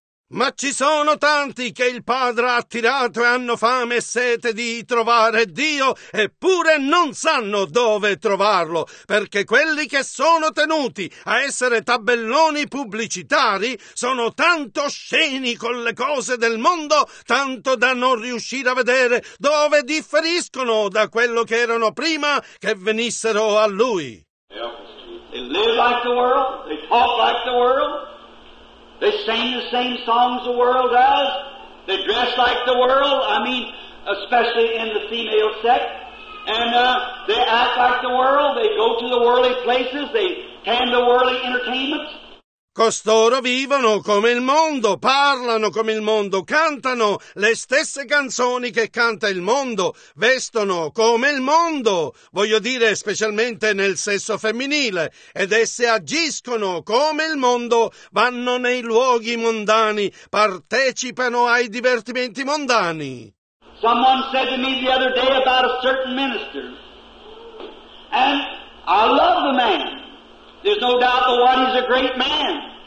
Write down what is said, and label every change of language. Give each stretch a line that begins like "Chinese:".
Italian: Ma ci sono tanti che il Padre ha attirato e hanno fame e sete di trovare Dio, eppure non sanno dove trovarlo, perché quelli che sono tenuti a essere tabelloni pubblicitari sono tanto sceni con le cose del mondo, tanto da non riuscire a vedere dove differiscono da quello che erano prima che venissero a Lui.
English: They live like the world, they talk like the world. They sing the same songs the world does. They dress like the world. I mean, especially in the female sect. And they act like the world. They go to the worldly places. They hand the worldly entertainments.
Italian: Costoro vivono come il mondo, parlano come il mondo, cantano le stesse canzoni che canta il mondo, vestono come il mondo, voglio dire specialmente nel sesso femminile, ed esse agiscono come il mondo, vanno nei luoghi mondani, partecipano ai divertimenti mondani.
English: Someone said to me the other day about a certain minister, and I love the man. There's no doubt the one is a great man.